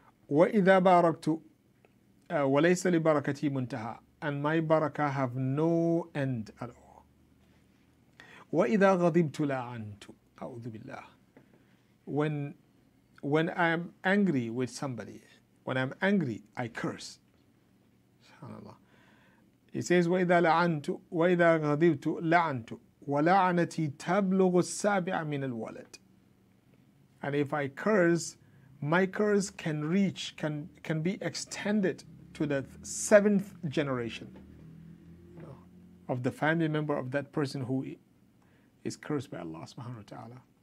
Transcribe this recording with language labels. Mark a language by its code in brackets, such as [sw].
[ar] وَإِذَا بَارَكْتُ وَلَيْسَ لِبَرَكَتِي مُنْتَهَى. [en] And my barakah have no end at all. [ar] وَإِذَا غَضِبْتُ لَعَنْتُ. أَعُوذُ بِاللَّهِ. [en] When I am angry with somebody, when I'm angry, I curse. SubhanAllah. He says, [ar] وَإِذَا لَعَنْتُ وَإِذَا غَضِبْتُ لَعَنْتُ وَلَعَنَتِي تَبْلُغُ السَّابِعَ مِنَ الْوَلَدِ. [en] And if I curse, my curse can reach, can be extended to the seventh generation of the family member of that person who is cursed by Allah subhanahu wa ta'ala.